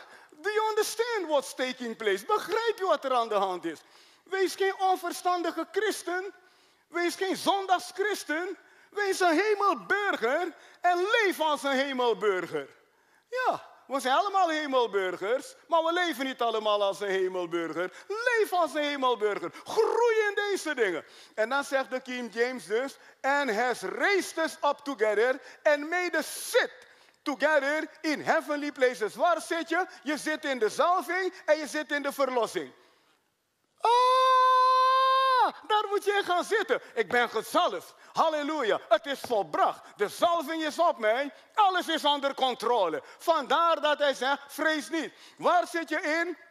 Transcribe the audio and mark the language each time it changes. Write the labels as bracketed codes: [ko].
[en] Do you understand what's taking place? [nl] Begrijp je wat er aan de hand is? Wees geen onverstandige christen. Wees geen zondagschristen. Wees een hemelburger en leef als een hemelburger. Ja, we zijn allemaal hemelburgers, maar we leven niet allemaal als een hemelburger. Leef als een hemelburger. Groei in deze dingen. En dan zegt de King James dus, [en] and has raised us up together and made us sit together in heavenly places. [nl] Waar zit je? Je zit in de zalving en je zit in de verlossing. Ah, daar moet je in gaan zitten. Ik ben gezalfd. Halleluja, het is volbracht. De zalving is op mij. Alles is onder controle. Vandaar dat hij zegt, vrees niet. Waar zit je in?